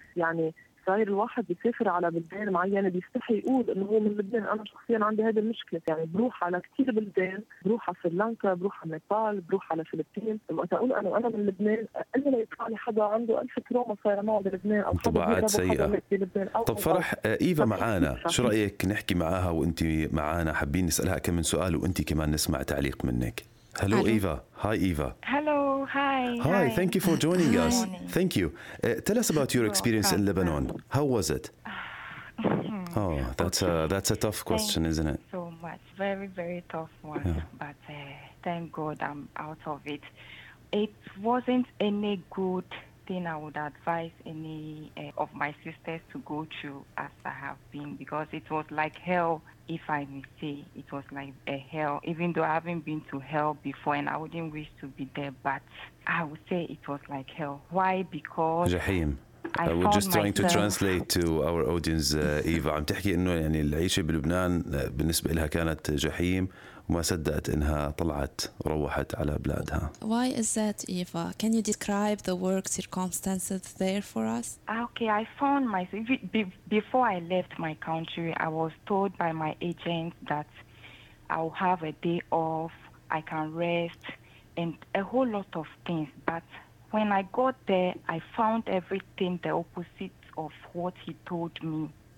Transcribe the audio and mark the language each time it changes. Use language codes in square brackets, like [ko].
[ar] يعني صاير الواحد بيسافر على بلدان معينه بيستحي يقول انه هو من لبنان، انا شخصيا عندي هذه المشكله، يعني بروح على كثير بلدان، بروح على سريلانكا، بروح على نيبال، بروح على الفلبين، وقت اقول انا من لبنان الا لو يطلع لي حدا عنده الف تروما صايره معه بلبنان او حدا سيئه. طب فرح ايفا معانا، شو رايك نحكي معاها وانت معانا؟ حابين نسالها كم من سؤال وانت كمان نسمع تعليق منك. [en] Hello, Hello Eva. Hi Eva. Hello. Hi. Hi. Thank you for joining us. Morning. Thank you. Tell us about your experience in Lebanon. How was it? Oh, that's a tough question, thank isn't it? So much. Very, very tough one. Yeah. But thank God I'm out of it. It wasn't any good thing I would advise any of my sisters to go through as I have been, because it was like hell. If I may say, it was like a hell, even though I haven't been to hell before and I wouldn't wish to be there, but I would say it was like hell. Why? Because Jaheim. I was just trying to translate to our audience, Eva. I'm talking about [ar] يعني العيشة بلبنان بالنسبة لها كانت جحيم وما صدقت إنها طلعت وروحت على بلادها. [en] Why is that, Eva? Can you describe the work circumstances there for us? Okay, I found myself before I left my country. I was told by my agent that I'll have a day off, I can rest, and a whole lot of things, but when I got there, I found everything the opposite of what he told me.